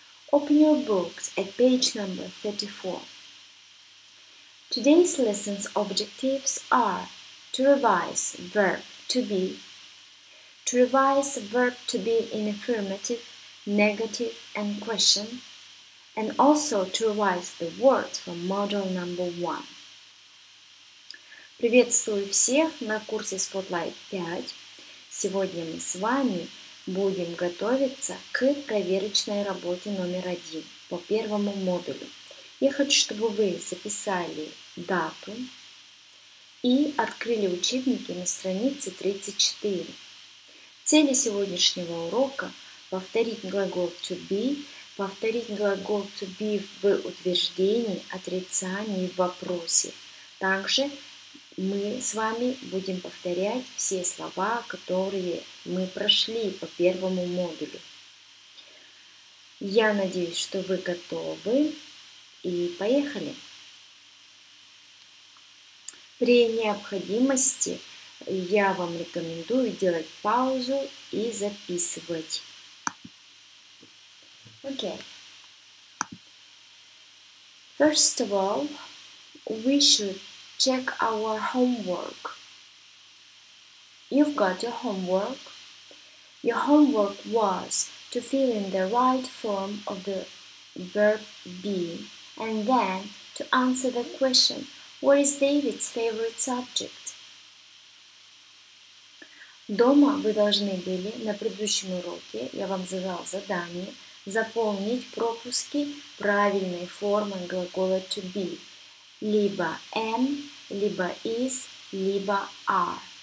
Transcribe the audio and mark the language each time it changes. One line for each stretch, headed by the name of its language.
English: Open your books at page number 34. Today's lesson's objectives are to revise verb to be, to revise verb to be in affirmative, negative, and question, and also to revise the words from module number 1.
Russian: Приветствую всех на курсе Spotlight 5. Сегодня мы с вами будем готовиться к проверочной работе номер 1 по первому модулю. Я хочу, чтобы вы записали дату и открыли учебники на странице 34. Цель сегодняшнего урока – повторить глагол to be, повторить глагол to be в утверждении, отрицании, вопросе. Также мы с вами будем повторять все слова, которые мы прошли по первому модулю. Я надеюсь, что вы готовы. И поехали. При необходимости я вам рекомендую делать паузу и записывать.
English: Okay. First of all, we should check our homework. You've got your homework. Your homework was to fill in the right form of the verb be. And then to answer the question, what is David's favorite subject?
Russian: Дома вы должны были на предыдущем уроке, я вам задал задание, заполнить пропуски правильной формы глагола to be. Либо am, либо is, либо are.